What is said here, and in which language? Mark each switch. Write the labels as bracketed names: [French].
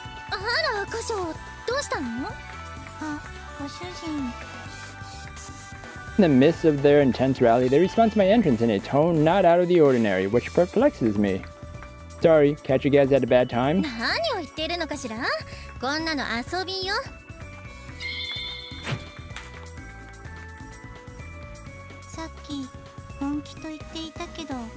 [Japanese] あら、カショウ、どうしたの？あ、ご主人。 [English] In the midst of their intense rally, they respond to my entrance in a tone not out of the ordinary, which perplexes me. Sorry, catch you guys at a bad time. [Japanese] 何を言ってるのかしら？こんなの遊びよ。さっき本気と言っていたけど、